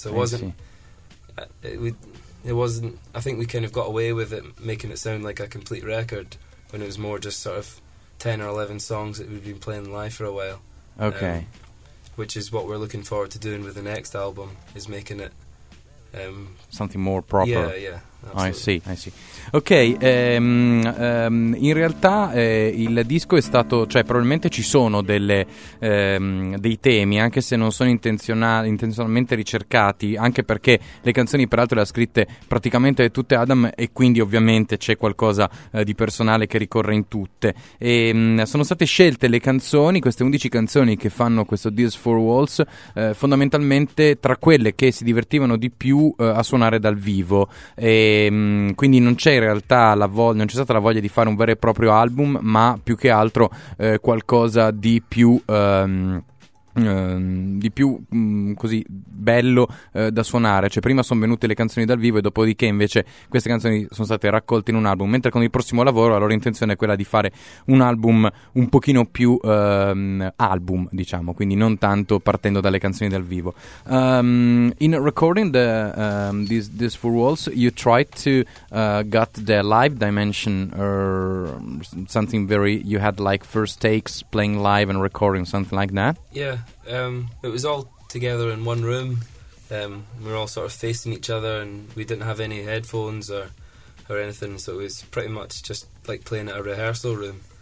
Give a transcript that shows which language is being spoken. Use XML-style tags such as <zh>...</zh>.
<en>So it wasn't. I think we kind of got away with it, making it sound like a complete record, when it was more just sort of 10 or 11 songs that we'd been playing live for a while. Okay. Which is what we're looking forward to doing with the next album, is making it something more proper. Yeah, yeah. I see.</en> <it>Ok, in realtà il disco è stato, cioè probabilmente ci sono dei temi, anche se non sono intenzionalmente ricercati, anche perché le canzoni peraltro le ha scritte praticamente tutte Adam, e quindi ovviamente c'è qualcosa di personale che ricorre in tutte. E sono state scelte le canzoni, queste 11 canzoni che fanno questo These Four Walls, fondamentalmente tra quelle che si divertivano di più a suonare dal vivo. E quindi non c'è in realtà non c'è stata la voglia di fare un vero e proprio album, ma più che altro qualcosa di più così bello da suonare. Cioè prima sono venute le canzoni dal vivo e dopodiché invece queste canzoni sono state raccolte in un album, mentre con il prossimo lavoro la loro intenzione è quella di fare un album un pochino più album, diciamo, quindi non tanto partendo dalle canzoni dal vivo.</it> <en>In recording these four walls, you tried to get the live dimension or something very... You had like first takes playing live and recording, something like that? Yeah. It was all together in one room. We were all sort of facing each other, and we didn't have any headphones or anything, so it was pretty much just like playing at a rehearsal room.</en>